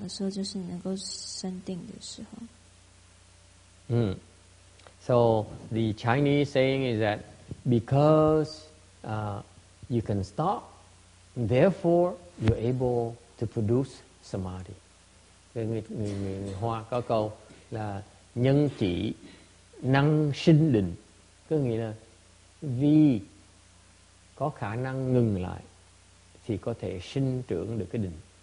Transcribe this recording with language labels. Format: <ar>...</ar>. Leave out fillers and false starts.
<zh>所以当你能够止你的这个妄想的时候，就是你能够生定的时候。</zh> <en>So the Chinese saying is that because you can stop, therefore you're able to produce samadhi.</en> <vi>Người Hoa có câu là nhân chỉ năng sinh định, có nghĩa là vì có khả năng ngừng lại thì có thể sinh trưởng được cái định.</vi>